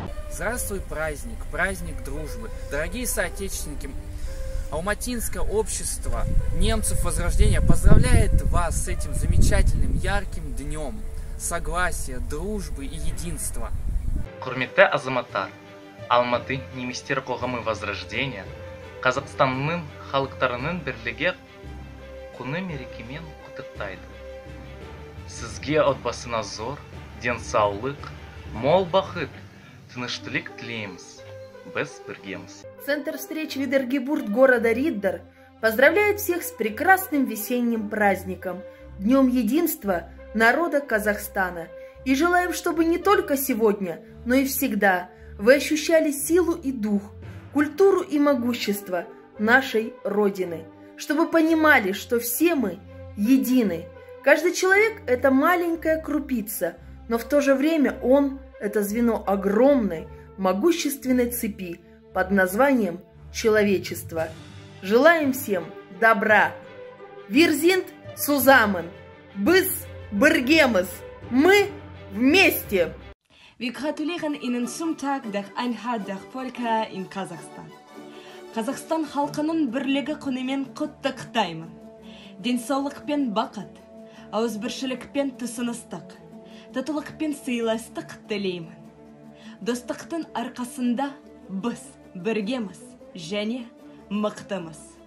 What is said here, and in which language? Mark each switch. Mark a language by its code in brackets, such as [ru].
[ru] Здравствуй, праздник, праздник дружбы, дорогие соотечественники! Алматинское общество немцев Возрождения поздравляет вас с этим замечательным ярким днем согласия, дружбы и единства. [kk] Құрметті азаматтар, Алматы немістер қоғамы Возрождения Қазақстанның халықтарының бірлігі күні мерекемен құттықтайды. Сізге отбасына зор, денсаулық, мол бақыт, тыныштылық тілейміз. Без бергемс. [ru] Центр встреч Видергебурт города Риддер поздравляет всех с прекрасным весенним праздником, Днем Единства народа Казахстана. И желаем, чтобы не только сегодня, но и всегда вы ощущали силу и дух, культуру и могущество нашей Родины. Чтобы понимали, что все мы едины. Каждый человек – это маленькая крупица, но в то же время он – это звено огромной, могущественной цепи под названием человечество. Желаем всем добра. [de] Wir sind zusammen. [kk] Bis bergemes. [ru] Мы вместе. [de] Wir gratulieren Ihnen zum Tag der Einheit der Völker in Kasachstan. [kk] Казахстан халқының бірлігі күнімен құттықтаймын. Денсаулық пен бақыт, ауызбіршілік пен тұсыныстық, татулық пен сыйластық тілеймін. Достықтың арқасында біз біргеміз және мықтымыз.